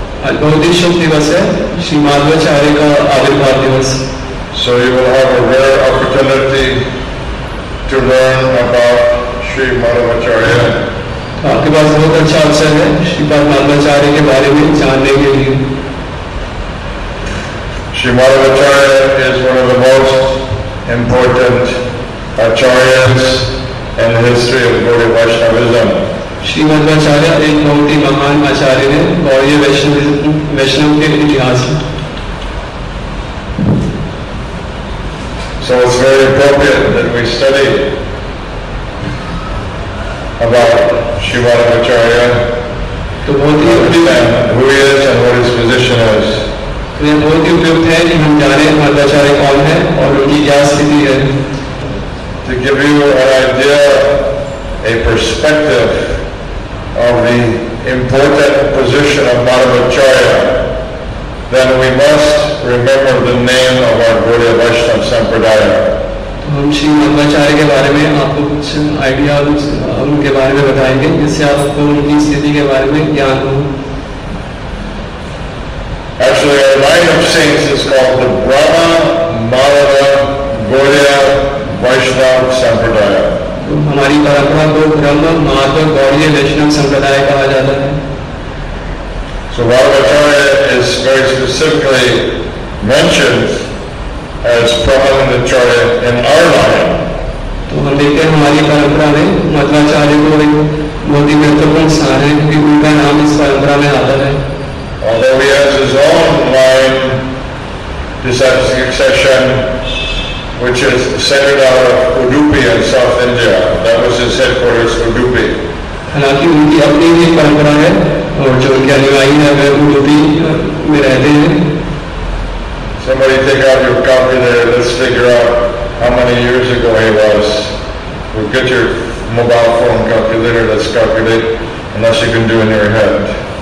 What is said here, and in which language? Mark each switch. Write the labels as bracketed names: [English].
[Hindi] आज बहुत ही शुभ दिवस है, श्री माधवाचार्य का आविर्भाव दिवस. [English] So you will have a rare opportunity to learn about Sri Madhvacharya. [Hindi] आपके पास बहुत अच्छा अवसर है श्रीपाद माधवाचार्य के बारे में जानने के लिए. [English] Shri Madhvacharya is one of the most important acharyas in the history of Gaudiya Vaishnavism. [Hindi] Shri Madhavacharya एक बहुत ही महान आचार्य है गौड़ीय वैष्णव के इतिहास में. [English] So it's very appropriate that we study about Sri Madhvacharya. [Hindi] तो बहुत ही [English] उपयुक्त who he is and what his position is. [Hindi] तो ये बहुत ही उपयुक्त है कि हम जाने माधवाचार्य कौन है और उनकी क्या स्थिति है. [English] To give you an idea, a perspective of the important position of Madhvacharya, then we must remember the name of our Gaudiya Vaishnava Sampradaya. [Hindi] हम श्री मध्वाचार्य के बारे में आपको कुछ आइडिया हम उनके बारे में बताएंगे जिससे आपको उनकी स्थिति के बारे में ज्ञान हो. [English] Actually, our line of saints is called the Brahma Madhava Gaudiya Vaishnava Sampradaya. [Hindi] हमारी परंपरा को ब्रह्म माधव गौड़ीय वैष्णव संप्रदाय कहा जाता है. [English] So Madhvacharya is very specifically mentioned as Brahmacharya in our line. [Hindi] तो हम देखते हैं हमारी परंपरा में मध्वाचार्य को एक बहुत ही महत्वपूर्ण स्थान है क्योंकि उनका नाम इस परंपरा में आता है. [English] Although he has his own line, this is succession, which is centered out of Udupi in South India. That was his headquarters, Udupi. [Hindi] हालांकि उनकी अपनी ही परंपरा है और जो उनके अनुयायी हैं वह उदुपि में रहते हैं. [English] Somebody take out your copy there. Let's figure out how many years ago he was. We'll get your mobile phone calculator. Let's calculate, unless you can do it in your head.